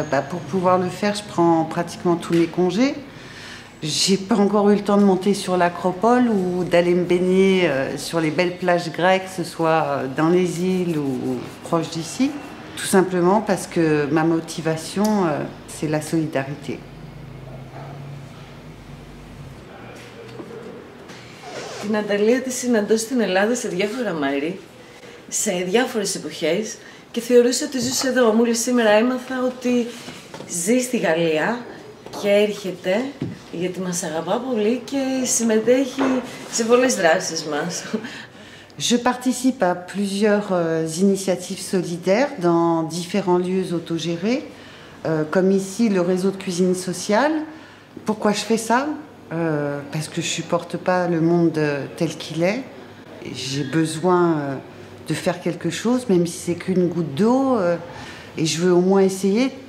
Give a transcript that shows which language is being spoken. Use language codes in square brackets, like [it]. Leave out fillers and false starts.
[fr] Pour pouvoir le faire, je prends pratiquement tous mes congés. J'ai pas encore eu le temps de monter sur l'Acropole ou d'aller me baigner sur les belles plages grecques, que ce soit dans les îles ou proche d'ici. Tout simplement parce que ma motivation, c'est la solidarité. [el] Την Αταλία τη συναντώ στην Ελλάδα σε διάφορα μέρη. Σε διάφορες εποχές και θεωρούσα ότι ζούσε εδώ. Μόλις σήμερα έμαθα ότι ζει στη Γαλλία και έρχεται γιατί μας αγαπά πολύ και συμμετέχει σε πολλές δράσεις μας. [fr] Je participe à plusieurs initiatives solidaires dans différents lieux autogérés, comme ici le réseau de cuisine sociale. Pourquoi je fais ça? Parce que je supporte pas le monde tel qu'il est. J'ai besoin de faire quelque chose, même si c'est qu'une goutte d'eau, et je veux au moins essayer.